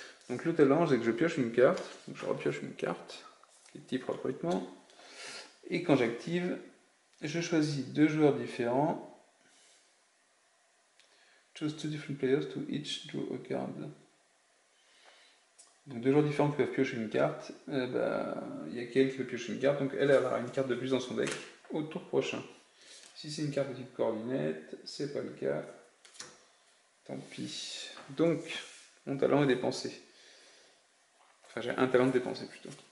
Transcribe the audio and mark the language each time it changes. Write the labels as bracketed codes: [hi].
[fr] Donc le talent, c'est que je pioche une carte, donc je repioche une carte, qui est type recrutement, et quand j'active, je choisis 2 joueurs différents. [en] Choose 2 different players to each draw a card. [fr] Donc 2 joueurs différents qui peuvent piocher une carte, il y a quelqu'un qui peut piocher une carte, donc elle aura une carte de plus dans son deck au tour prochain. Si c'est une carte de type coordinate, c'est pas le cas, tant pis. Donc, mon talent est dépensé. Enfin, j'ai un talent de dépenser plutôt.